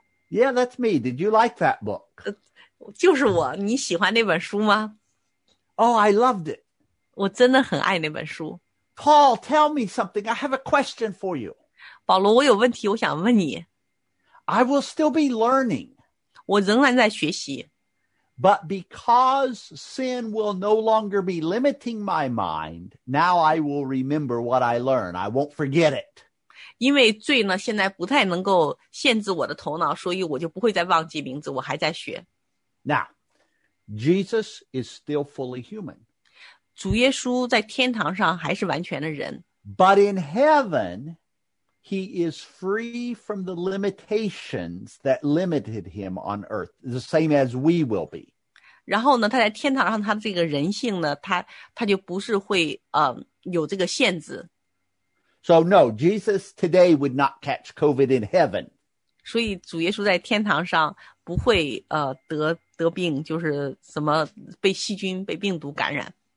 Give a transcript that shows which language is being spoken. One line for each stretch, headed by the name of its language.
English: Yeah, that's me. Did you like that book?
Chinese: 就是我，你喜欢那本书吗？
English: Oh, I loved it.
Chinese: 我真的很爱那本书。
English: Paul, tell me something. I have a question for you.
Chinese: 保罗，我有问题，我想问你。
English: I will still be learning.
Chinese: 我仍然在学习。
English: But because sin will no longer be limiting my mind, now I will remember what I learn. I won't forget it.
Chinese: 因为罪呢，现在不太能够限制我的头脑，所以我就不会再忘记名字，我还在学。
English: Now, Jesus is still fully human.
Chinese: 主耶稣在天堂上还是完全的人。
English: But in heaven, he is free from the limitations that limited him on earth, the same as we will be.
Chinese: 然后呢，他在天堂上，他这个人性呢，他就不是会有这个限制。
English: So no, Jesus today would not catch COVID in heaven.
Chinese: 所以主耶稣在天堂上不会得病，就是什么被细菌、被病毒感染。